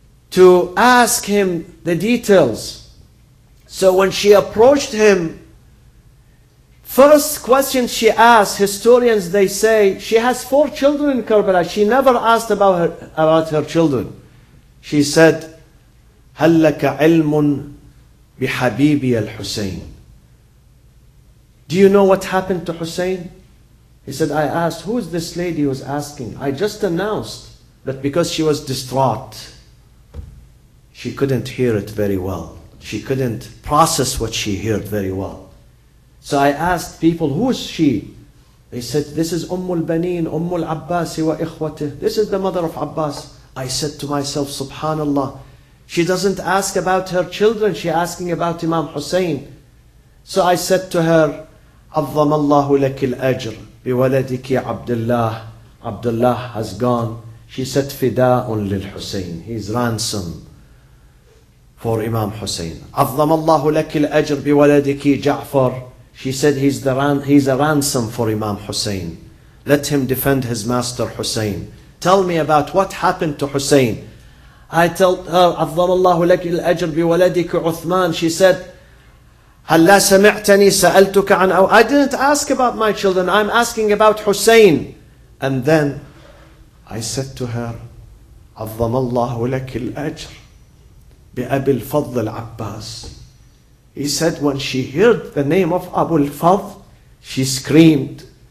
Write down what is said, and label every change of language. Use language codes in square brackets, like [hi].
[en] to ask him the details. So when she approached him, first question she asked, historians, they say, she has four children in Karbala. She never asked about her children. She said, [ar] هَلْ لَكَ عِلْمٌ بِحَبِيبِيَ الْحُسَيْنِ. [en] Do you know what happened to Hussein? He said, I asked, who is this lady who's asking? I just announced that because she was distraught, she couldn't hear it very well. She couldn't process what she heard very well. So I asked people, who is she? They said, this is Umm al-Baneen, Umm al-Abbas wa ikhwatih. This is the mother of Abbas. I said to myself, subhanallah, she doesn't ask about her children, she's asking about Imam Hussein. So I said to her, [ar] عظم الله لك الأجر بولدك عبد الله. [en] عبد الله has gone. She said, [ar] فداء للحسين. [en] He's ransom for Imam Hussein. [ar] عظم الله لك الأجر بولدك جعفر. [en] She said, he's a ransom for Imam Hussein. Let him defend his master Hussein. Tell me about what happened to Hussein. I told her, [ar] عظم الله لك الأجر بولدك عثمان. [en] She said, [ar] هَلَّا سَمِعْتَنِي سَأَلْتُكَ عَنْ أَوْ. [en] I didn't ask about my children, I'm asking about Hussein. And then I said to her, [ar] عَظَّمَ اللَّهُ لَكِ الْأَجْرِ بِأَبِي الْفَضْلِ الْعَبَّاسِ. [en] He said, when she heard the name of Abu al-Fadl, she screamed.